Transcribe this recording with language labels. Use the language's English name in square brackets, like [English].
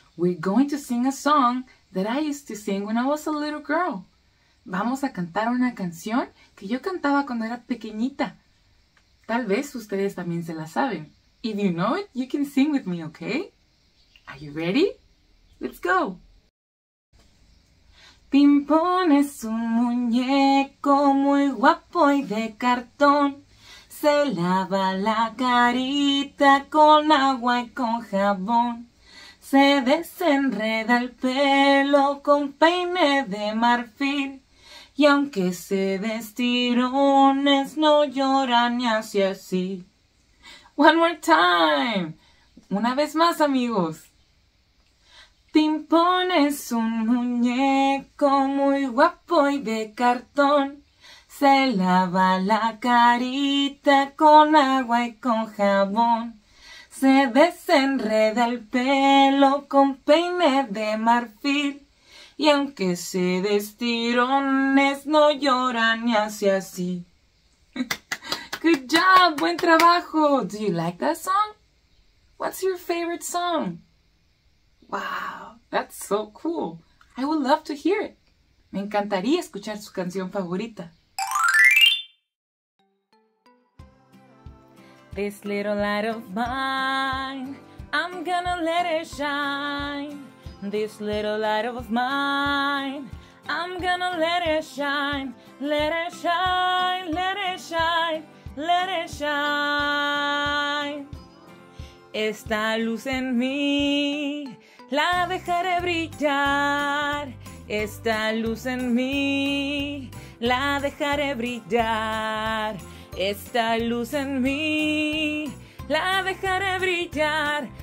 [English] We're going to sing a song that I used to sing when I was a little girl. [Spanish] Vamos a cantar una canción que yo cantaba cuando era pequeñita. Tal vez ustedes también se la saben. [English] If you know it, you can sing with me, okay? Are you ready? Let's go! [Spanish] Pimpón es un muñeco muy guapo y de cartón. Se lava la carita con agua y con jabón. Se desenreda el pelo con peine de marfil. Y aunque se destirones, no llora ni hace así. [English] One more time. [Spanish] Una vez más, amigos. Pimpón es un muñeco muy guapo y de cartón. Se lava la carita con agua y con jabón. Se desenreda el pelo con peine de marfil. Y aunque se destirones, no llora ni hace así. [English] Good job! [Spanish] Buen trabajo! [English] Do you like that song? What's your favorite song? Wow, that's so cool. I would love to hear it. [Spanish] Me encantaría escuchar su canción favorita. [English] This little light of mine, I'm gonna let it shine. This little light of mine, I'm gonna let it shine. Let it shine, let it shine, let it shine. [Spanish] Esta luz en mí, la dejaré brillar. Esta luz en mí, la dejaré brillar. Esta luz en mí, la dejaré brillar.